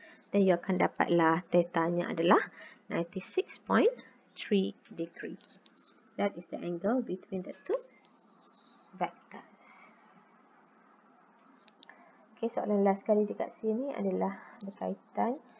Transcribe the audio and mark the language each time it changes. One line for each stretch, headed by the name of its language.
English: Then, you
Malay: akan dapatlah thetanya adalah 96.3 degree.
English: That is the angle between the two vectors.
Malay: Okay, soalan last kali dekat sini adalah berkaitan.